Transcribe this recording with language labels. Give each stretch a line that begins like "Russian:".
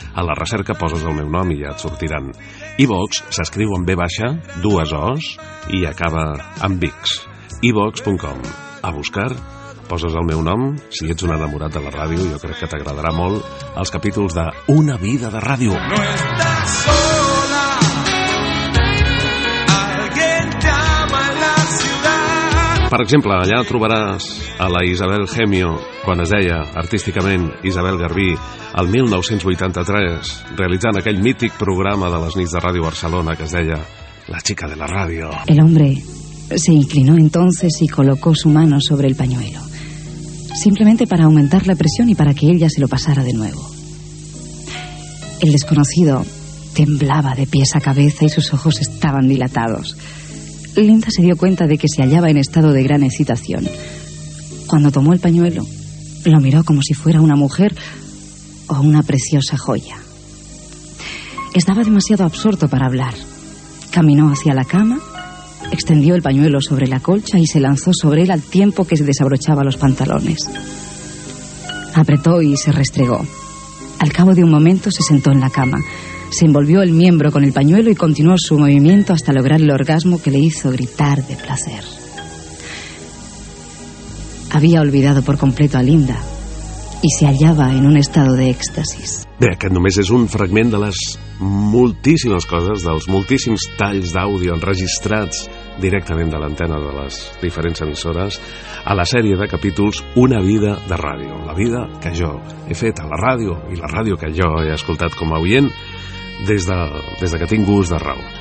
Catalan: A la recerca poses el meu nom i ja et sortiran. iVox s'escriu amb V, dues O's, i acaba amb X. iVox.com. A buscar, poses el meu nom, si ets un enamorat de la ràdio, jo crec que t'agradarà molt els capítols de Una vida de ràdio.
Spanish: No estàs sola, alguien te ama en la ciudad.
Catalan: Per exemple, allà trobaràs a la Isabel Gemio, quan es deia artísticament Isabel Garbí, el 1983, realitzant aquell mític programa de les nits de Ràdio Barcelona que es deia La chica de la ràdio.
Spanish: El hombre se inclinó entonces y colocó su mano sobre el pañuelo, simplemente para aumentar la presión y para que ella se lo pasara de nuevo. El desconocido temblaba de pies a cabeza y sus ojos estaban dilatados. Linda se dio cuenta de que se hallaba en estado de gran excitación. Cuando tomó el pañuelo, lo miró como si fuera una mujer o una preciosa joya. Estaba demasiado absorto para hablar. Caminó hacia la cama, extendió el pañuelo sobre la colcha y se lanzó sobre él al tiempo que se desabrochaba los pantalones. Apretó y se restregó. Al cabo de un momento se sentó en la cama, se envolvió el miembro con el pañuelo y continuó su movimiento hasta lograr el orgasmo que le hizo gritar de placer. Había olvidado por completo a Linda y se hallaba en un estado de éxtasis.
Catalan: Bé, aquest només és un fragment de les moltíssimes coses, dels moltíssims talls d'àudio enregistrats directament de l'antena de les diferents emissores a la sèrie de capítols Una vida de ràdio. La vida que jo he fet a la ràdio i la ràdio que jo he escoltat com a oient des de que tinc gust de raó.